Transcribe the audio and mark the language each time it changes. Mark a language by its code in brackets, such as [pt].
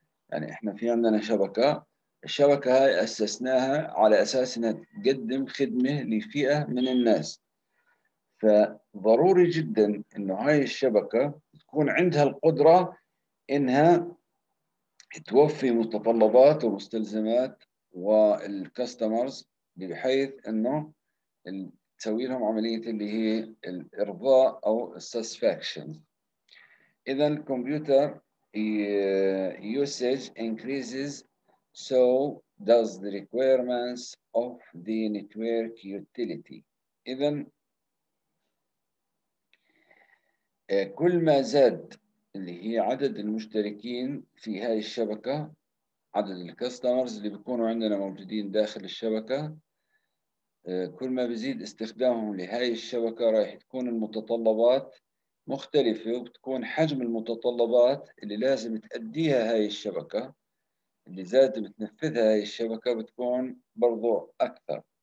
[ar] يعني إحنا في عندنا شبكة، الشبكة هاي أسسناها على أساس إنها تقدم خدمة لفئة من الناس، فضروري جدا إنه هاي الشبكة تكون عندها القدرة إنها توفي متطلبات ومستلزمات والكاستمرز، بحيث إنه تسوي لهم عملية اللي هي الإرضاء أو satisfaction. إذا الكمبيوتر [en] usage increases So does the requirements of the network utility. [ar] إذن كل ما زاد اللي هي عدد المشتركين في هاي الشبكة، عدد الكاستمرز اللي بيكونوا عندنا موجودين داخل الشبكة، كل ما بزيد استخدامهم لهاي الشبكة رايح تكون المتطلبات مختلفة، وبتكون حجم المتطلبات اللي لازم تأديها هاي الشبكة اللي زادت بتنفذها هاي الشبكة بتكون برضو أكثر.